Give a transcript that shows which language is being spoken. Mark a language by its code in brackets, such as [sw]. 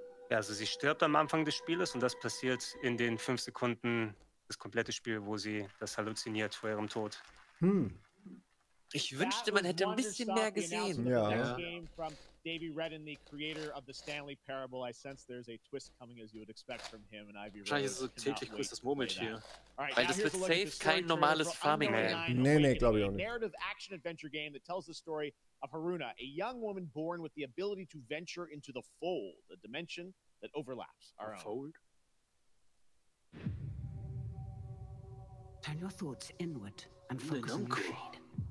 [de] Ja, also sie stirbt am Anfang des Spieles und das passiert in den 5 Sekunden das komplette Spiel, wo sie das halluziniert vor ihrem Tod. Ich wünschte, man hätte ein bisschen mehr gesehen. Ja. [en] Davey Redden, the creator of the Stanley Parable. I sense there's a twist coming, as you would expect from him. And Ivy [de] Wahrscheinlich ist es so täglich größtes Moment hier. [en] Right, [de] weil das wird safe kein normales Farming-Game. Nee, glaube ich auch nicht. [en] A narrative action-adventure game that tells the story of Haruna, a young woman born with the ability to venture into the fold, the dimension that overlaps our own. Fold? Turn your thoughts inward and focus on the pain.